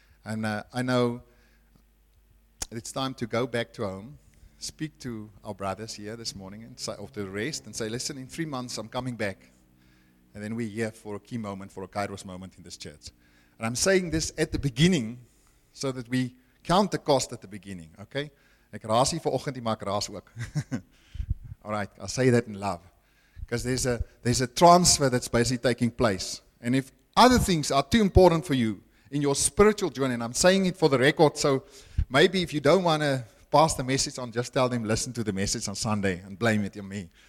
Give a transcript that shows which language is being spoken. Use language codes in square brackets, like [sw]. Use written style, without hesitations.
[en] And I know it's time to go back to home, speak to our brothers here this morning, and say, after the rest, and say, listen, in 3 months I'm coming back. And then we're here for a key moment, for a Kairos moment in this church. And I'm saying this at the beginning so that we count the cost at the beginning, okay? [af] Ek raas hier vanoggend, ek maak raas ook. [en] All right, I'll say that in love. Because there's a transfer that's basically taking place. And if other things are too important for you in your spiritual journey, and I'm saying it for the record, so maybe if you don't want to pass the message on, just tell them, listen to the message on Sunday and blame it on me.